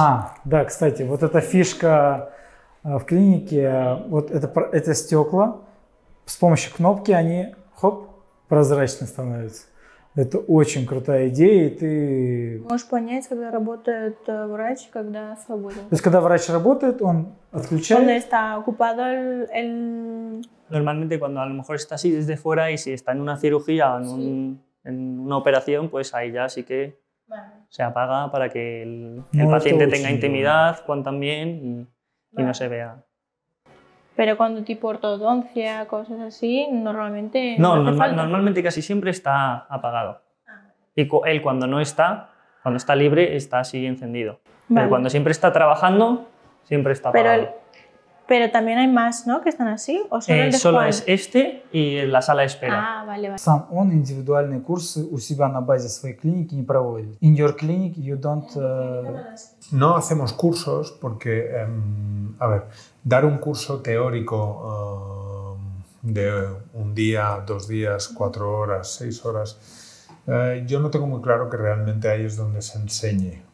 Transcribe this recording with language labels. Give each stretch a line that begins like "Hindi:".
Russian: А, да, кстати, вот эта фишка в клинике, вот это стекла, с помощью кнопки они, хоп, прозрачно становятся. Это очень крутая идея, и ты... Можешь понять, когда работает врач, когда свободен. То есть, когда врач работает, он отключает?
Spanish: Cuando está ocupado el... Normalmente, cuando a lo mejor está así desde fuera, y si está en una cirugía, en, sí. un, en una operación, pues ahí ya sí que bueno. se apaga para que el paciente tenga intimidad, Juan también, y, bueno. y no se vea. Pero cuando tipo ortodoncia, cosas así, normalmente... No, normalmente casi siempre está apagado. Ah. Y él cuando no está, cuando está libre, está así encendido. Vale. Pero cuando siempre está trabajando, siempre está apagado. Pero también hay más, ¿no? Que están así. ¿O solo, solo es este y la sala de espera. Ah, vale, vale.
Russian: Сам он индивидуальные курсы у себя на базе своей клиники не проводит.
English: In your clinic you don't...
Spanish: No hacemos cursos porque, a ver, dar un curso teórico de un día, dos días, cuatro horas, seis horas, yo no tengo muy claro que realmente ahí es donde se enseñe.